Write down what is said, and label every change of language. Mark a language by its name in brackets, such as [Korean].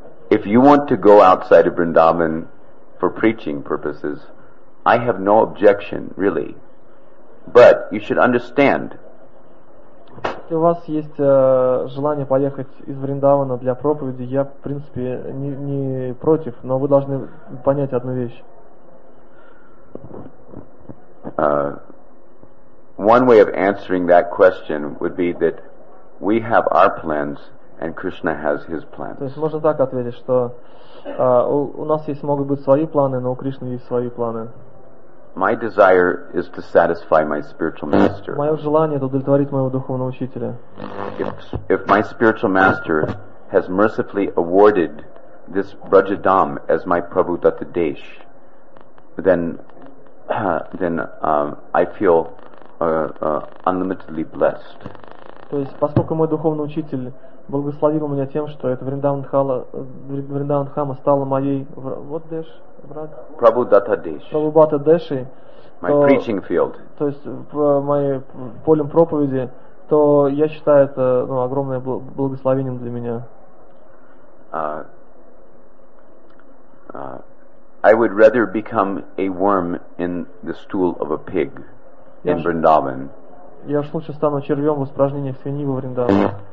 [English] If you want to go outside of Vrindavan for preaching purposes, I have no objection, really. But you should understand. [Russian] Если у вас есть желание поехать из Вриндавана для проповеди, я, в принципе, не против, но вы должны понять одну вещь. [English] One way of answering that question would be that we have our plans and Krishna has his plans. [Russian] То есть можно так ответить, что у нас есть, могут быть, свои планы, но у Кришны есть свои планы. [English] My desire is to satisfy my spiritual master. [Russian] Моё желание это удовлетворить моего духовного учителя. [English] If my spiritual master has mercifully awarded this Brajadham as my Prabhu Datta Desh, then I feel unlimitedly blessed. [Russian] То есть, поскольку мой духовный учитель благословил меня тем, что это Вриндаван Хама стало моей вот Деш. [English] Prabhu Datta Deshi, my preaching field. [Russian] То есть в моей полем проповеди, то я считаю это огромное благословением для меня. [English] I would rather become a worm in the stool of a pig in Vrindavan. [Russian] Я уж лучше стану червем в испражнениях свиньи во Вриндаване.